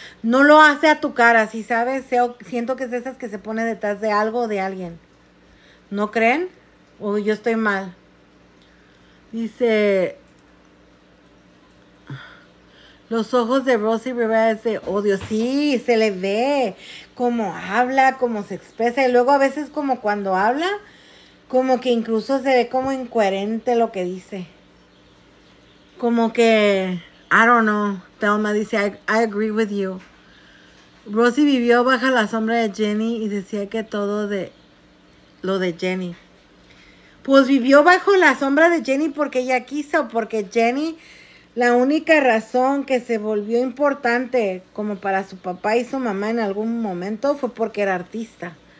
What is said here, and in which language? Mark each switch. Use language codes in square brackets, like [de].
[es] No lo hace a tu cara, ¿sí sabes? Siento que es de esas que se pone detrás de algo o de alguien. ¿No creen? O yo estoy mal. Dice. Los ojos de Rosie Rivera es de odio. Sí, se le ve cómo habla, cómo se expresa. Y luego a veces como cuando habla, como que incluso se ve como incoherente lo que dice. Como que, [en] I don't know, Thelma [es] dice, [en] I agree with you. [es] Rosie vivió bajo la sombra de Jenny y decía que todo de lo de Jenny. Pues vivió bajo la sombra de Jenny porque ella quiso, porque Jenny... La única razón que se volvió importante como para su papá y su mamá en algún momento fue porque era artista.